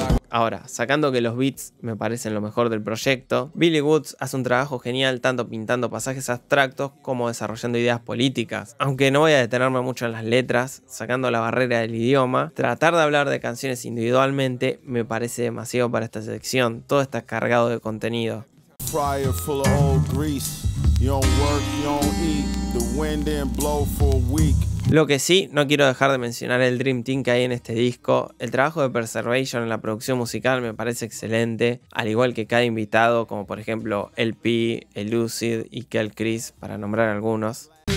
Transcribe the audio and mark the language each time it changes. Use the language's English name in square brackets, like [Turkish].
[Spanish] Ahora, sacando que los beats me parecen lo mejor del proyecto, Billy Woods hace un trabajo genial tanto pintando pasajes abstractos como desarrollando ideas políticas. Aunque no voy a detenerme mucho en las letras, sacando la barrera del idioma, tratar de hablar de canciones individualmente me parece demasiado para esta sección. Todo está cargado de contenido. [English] Fryer full of old grease. You don't work, you don't eat. The wind didn't blow for a week. [Spanish] Lo que sí, no quiero dejar de mencionar el Dream Team que hay en este disco. El trabajo de Preservation en la producción musical me parece excelente, al igual que cada invitado, como por ejemplo LP, Elucid y Kel Chris, para nombrar algunos.